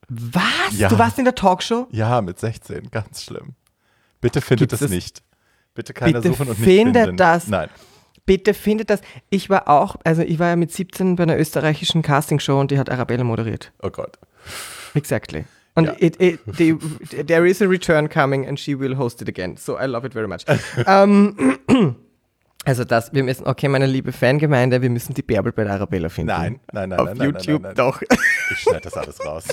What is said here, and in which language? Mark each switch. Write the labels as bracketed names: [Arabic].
[German] Was? Ja. Du warst in der Talkshow? Ja, mit 16, ganz schlimm. Bitte findet das nicht. Bitte keiner suchen und nicht finden. Bitte findet das. Nein. Bitte findet das. Ich war auch, also ich war ja mit 17 bei einer österreichischen Castingshow und die hat Arabella moderiert. Oh Gott. [English] Exactly. [German] Und ja. [English] There is a return coming and she will host it again. So, I love it very much. [German] also das, wir müssen, okay, meine liebe Fangemeinde, wir müssen die Bärbel bei der Arabella finden. Nein. Auf nein, YouTube, nein, nein, nein. Doch. Ich schneide das alles raus.